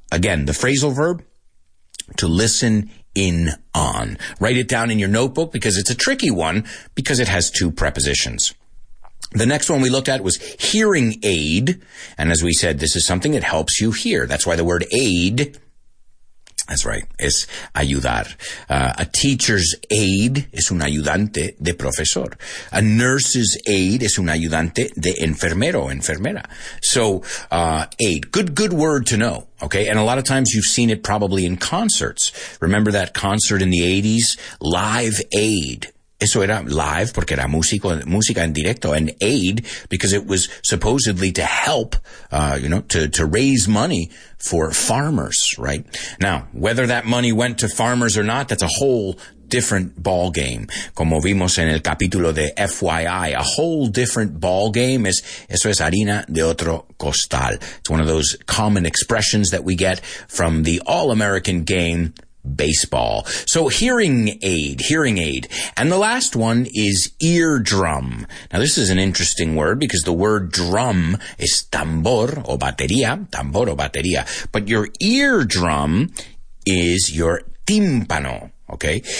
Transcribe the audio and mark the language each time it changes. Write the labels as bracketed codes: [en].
[en] Again, the phrasal verb, to listen in on. Write it down in your notebook because it's a tricky one because it has two prepositions. The next one we looked at was hearing aid. And as we said, this is something that helps you hear. That's why the word aid, that's right, [es] es ayudar. [en] A teacher's aid [es] es un ayudante de profesor. [en] A nurse's aid [es] es un ayudante de enfermero, enfermera. [en] So, aid. Good word to know. Okay. And a lot of times you've seen it probably in concerts. Remember that concert in the 80s? Live Aid. [es] Eso era live porque era música en directo, [en] and aid because it was supposedly to help, to raise money for farmers, right? Now, whether that money went to farmers or not, that's a whole different ball game. [es] Como vimos en el capítulo de FYI, [en] a whole different ball game is, [es] eso es harina de otro costal. [en] It's one of those common expressions that we get from the all-American game, baseball. So hearing aid. And the last one is eardrum. Now, this is an interesting word because the word drum is [es] tambor o batería, [en] but your eardrum is your tímpano. Okay.